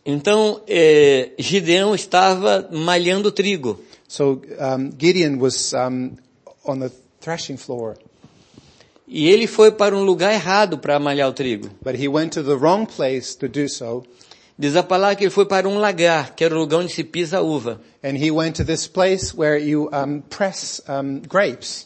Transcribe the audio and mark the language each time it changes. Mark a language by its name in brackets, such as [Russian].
[Portuguese] Então, Gideão estava malhando trigo. [English] So, Gideon was on the threshing floor. [Portuguese] E ele foi para um lugar errado para malhar o trigo. [English] But he went to the wrong place to do so. [Portuguese] Diz a palavra que ele foi para um lagar, que era o lugar onde se pisa a uva. [English] And he went to this place where you press grapes.